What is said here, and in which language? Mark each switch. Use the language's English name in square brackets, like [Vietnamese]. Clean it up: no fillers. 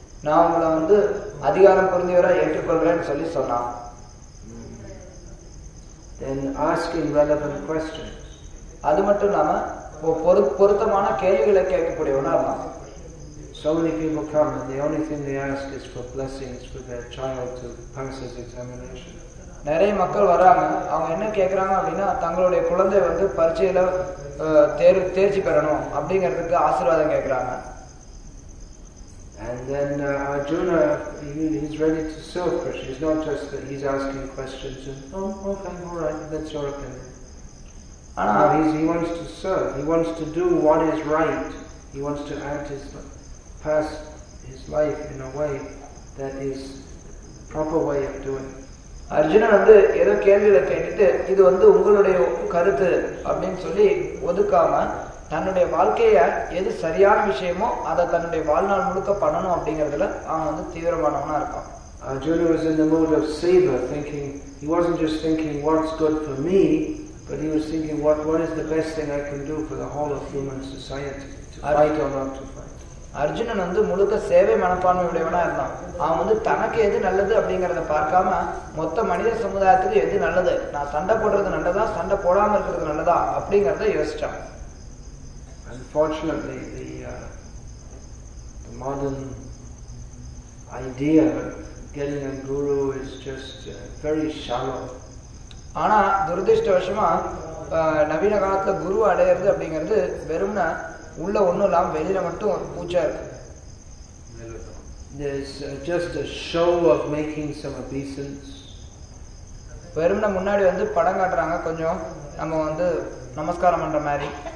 [Tamil] நான் உங்களை வந்து அதிகாரம் புரிந்தவரை ஏற்றுக்கொள்கிறேன்னு சொல்லி சொன்னான். [English] Then asking relevant questions. [Tamil] அது மட்டும் இல்லாம பொருத்தமான கேள்விகளை கேட்கக்கூடியவனா இருந்தான். [English] So many people come and the only thing they ask is for blessings for their child to pass his examination. [Tamil] நிறைய மக்கள் வராங்க, அவங்க என்ன கேட்கறாங்க அப்படின்னா தங்களுடைய குழந்தை வந்து பரீட்சையில தேர்ச்சி பெறணும் அப்படிங்கறதுக்கு ஆசீர்வாதம் கேட்கறாங்க. [English] And then Arjuna, he's ready to serve Krishna. It's not just that he's asking questions and, oh, okay, all right, that's your opinion. No, he wants to serve. He wants to do what is right. He wants to act his, pass his life in a way that is proper way of doing. [Tamil] Arjuna வந்து ஏதோ கேள்வியை கேட்டுட்டு இது வந்து உங்களுடைய கருத்து அப்படின்னு சொல்லி ஒதுக்காம தன்னுடைய வாழ்க்கைய எது சரியான விஷயமோ அதை தன்னுடைய வாழ்நாள் முழுக்க பண்ணணும் அப்படிங்கறதுல அவன் வந்து தீவிரமானவனா இருக்கான். [English] Arjuna was in the mood of seva, thinking he wasn't just thinking what's good for me, but he was thinking what is the best thing I can do for the whole of human society, to fight. [Tamil] Arjunan வந்து முழுக்க சேவை மனப்பான்மையுடையவனா இருந்தான். அவன் வந்து தனக்கு எது நல்லது அப்படிங்கறத பார்க்காம மொத்த மனித சமுதாயத்துக்கு எது நல்லது, நான் சண்டை போடுறது நல்லதா, சண்டை போடாம இருக்கிறது நல்லதா அப்படிங்கறத யோசிச்சான். [English] Unfortunately, the modern idea of getting a guru is just very shallow. [Tamil] ஆன துரதிஷ்டவசமா நவீன காலத்துல குரு அடையிறது அப்படிங்கிறது வெறும் உள்ள ஒண்ணுலாம் வெளியில மட்டும் ஒரு பூச்சா இருக்கு. [English] There's just a show of making some obeisance. [Tamil] வெறும் முன்னாடி வந்து படம் காட்டுறாங்க, கொஞ்சம் நம்ம வந்து நமஸ்காரம் பண்ற மாதிரி.